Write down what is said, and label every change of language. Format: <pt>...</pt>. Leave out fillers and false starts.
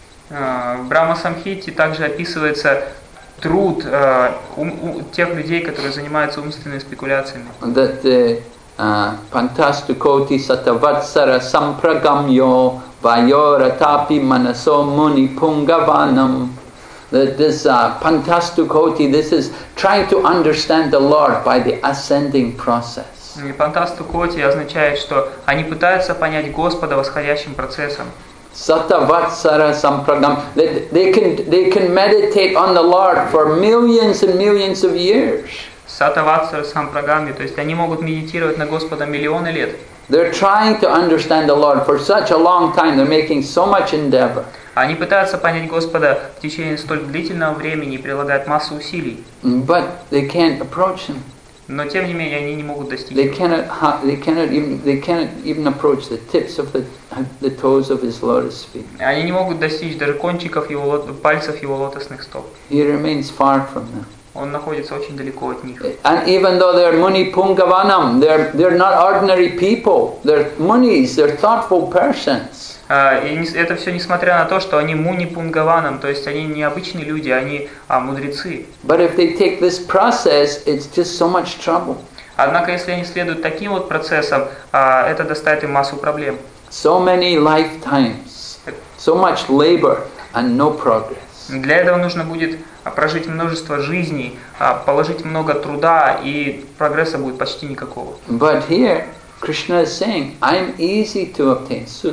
<ru>В Брахма Самхите также описывается труд тех людей, которые занимаются умственными спекуляциями.</ru> <sa>That pantastukoti satavatsara sampragamyo vayoratapi manaso muni pungavanam.</sa> <en>That this pantastukoti, this is trying to understand the Lord by the ascending process.</en> <ru>Pantastukoti означает, что они пытаются понять Господа восходящим процессом.</ru> <sa>Satavatsara sampragam.</sa> <en>They can meditate on the Lord for millions and millions of years.</en> <sa>Satavatsara sampragam.</sa> <ru>То есть они могут медитировать на Господа миллионы лет.</ru> <en>They're trying to understand the Lord for such a long time. They're making so much endeavor.</en> <ru>Они пытаются понять Господа в течение столь длительного времени и прилагают массу усилий.</ru> <en>But they can't approach Him.</en> <ru>Но тем не менее они не могут достичь.</ru> <en>They cannot even approach the tips of the toes of his lotus feet.</en> <ru>Они не могут достичь даже кончиков его пальцев его лотосных стоп.</ru> <en>He remains far from them.</en> <ru>Он находится очень далеко от них.</ru> <en>And even though they're muni pungavanam, they're not ordinary people. They're munis. They're thoughtful persons.</en> <ru>И это все несмотря на то, что они муни пунгаванам, то есть они не обычные люди, они мудрецы.</ru> <en>But if they take this process, it's just so much trouble.</en> <ru>Однако если они следуют таким вот процессам, это доставит им массу проблем.</ru> <en>So many lifetimes, so much labor and no progress.</en> <ru>Для этого нужно будет прожить множество жизней, положить много труда, и прогресса будет почти никакого.</ru> <en>But here Krishna is saying, I'm easy to obtain.</en>